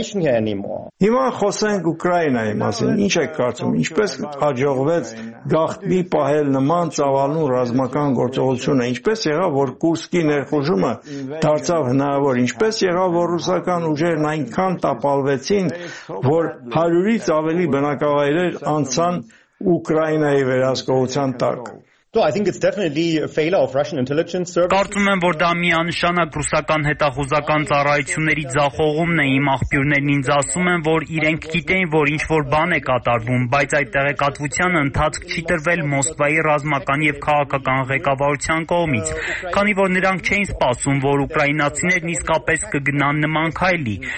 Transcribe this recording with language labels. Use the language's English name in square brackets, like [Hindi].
[Armenian] Հիմա խոսենք Ուկրաինայի մասին։ Ինչ եք կարծում, ինչպես հաջողվեց գաղտնի պահել նման ծավալուն ռազմական գործողությունը, ինչպես եղավ, որ Կուրսկի ներխուժումը դարձավ հնարավոր, ինչպես եղավ, որ ռուսական ուժերն այնքան տապալվեցին, որ 100-ից ավելի բնակավայրեր անցան Ուկրաինայի վերահսկողության տակ։ [English] So I think it's definitely a failure of Russian intelligence service. [Armenian] Կարծում եմ, որ դա միանշանակ ռուսական հետախուզական ծառայությունների ձախողումն է։ Իմ աղբյուրներն ինձ ասում են, որ իրենք գիտեն, որ ինչ-որ բան է կատարվում, բայց այդ տեղեկատվության ընթացք չի տրվել Մոսկվայի ռազմական եւ քաղաքական ղեկավարության կողմից, քանի որ նրանք չեն սպասում, որ ուկրաինացիներն իսկապես կգնան նման քայլի։